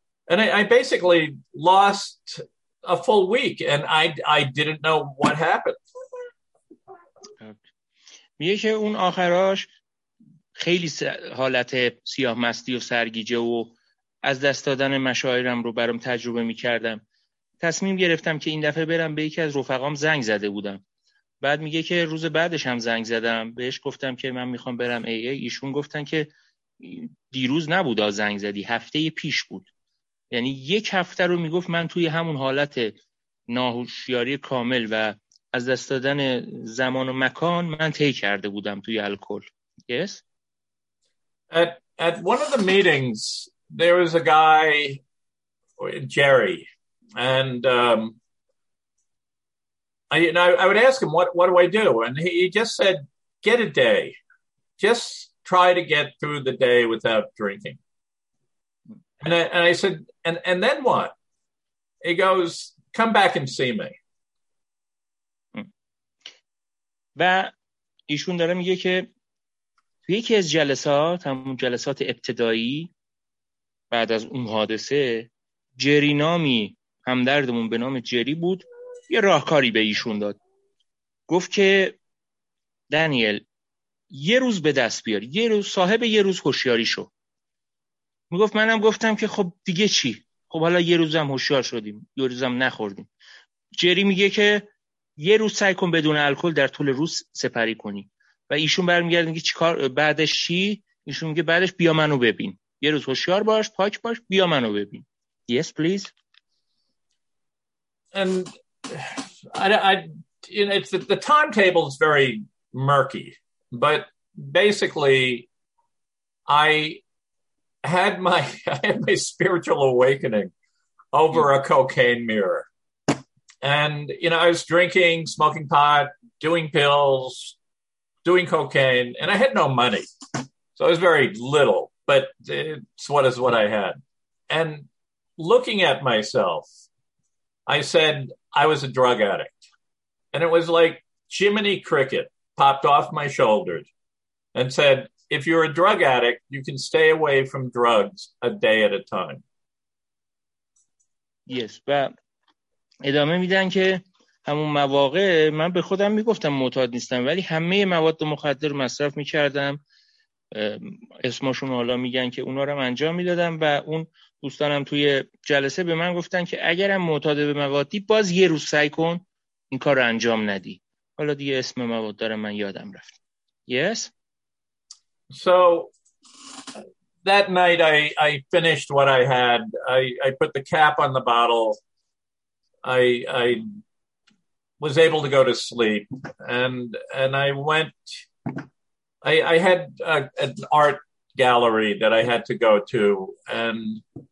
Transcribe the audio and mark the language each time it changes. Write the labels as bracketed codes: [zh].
[en] And I basically lost a full week and I didn't know what happened. [fa] میگه که اون آخراش خیلی حالت سیاه مستی و سرگیجه و از دست دادن مشاعرم رو برام تجربه میکردم. تصمیم گرفتم که این دفعه برم به یکی از رفقام زنگ زده بودم. بعد میگه که روز بعدش هم زنگ زدم بهش گفتم که من میخوام برم ای ای. ایشون گفتن که دیروز نبود زنگ زدی، هفته پیش بود. یعنی یک هفته رو میگفت من توی همون حالت ناهوشیاری کامل و از دست دادن زمان و مکان من طی کرده بودم توی الکل. [en] Yes. At one of the meetings there was a guy Jerry and I would ask him, what do I do? And he just said, get a day. Just try to get through the day without drinking. And I said, and then what? He goes, come back and see me. [fa] و ایشون داره میگه که توی یکی از جلسات، همون جلسات ابتدایی بعد از اون حادثه، جری نامی همدردمون به نام جری بود، یه راهکاری به ایشون داد. گفت که دانیل یه روز به دست بیار، یه روز صاحب یه روز هوشیاری شو. میگفت منم گفتم که خب دیگه چی، خب حالا یه روزم هوشیار شدیم، یه روزم نخوردیم. جری میگه که یه روز سعی کن بدون الکل در طول روز سپری کنی. و ایشون برمیگرده میگه چیکار بعدش چی؟ ایشون میگه بعدش بیا منو ببین، یه روز هوشیار باش، پاک باش، بیا منو ببین. [en] Yes please. The timetable is very murky, but basically, I had my spiritual awakening over a cocaine mirror, and you know I was drinking, smoking pot, doing pills, doing cocaine, and I had no money, so it was very little, but it's what is what I had, and looking at myself, I said. I was a drug addict. And it was like Jiminy Cricket popped off my shoulders and said, if you're a drug addict, you can stay away from drugs a day at a time. [fa] Yes, و ادامه میدن که همون مواقع من به خودم میگفتم معتاد نیستم، ولی همه مواد مخدر مصرف میکردم. اسمشون حالا میگن که اونا رو انجام میدادم و اون دوستانم توی جلسه به من گفتن که اگرم معتاد به موادی باز یه روز سعی کن این کار رو انجام ندی. حالا دیگه اسم مواد داره من یادم رفت. [en] Yes. So that night I finished what I had. I put the cap on the bottle. I was able to go to sleep and I went. I had an art gallery that I had to go to and.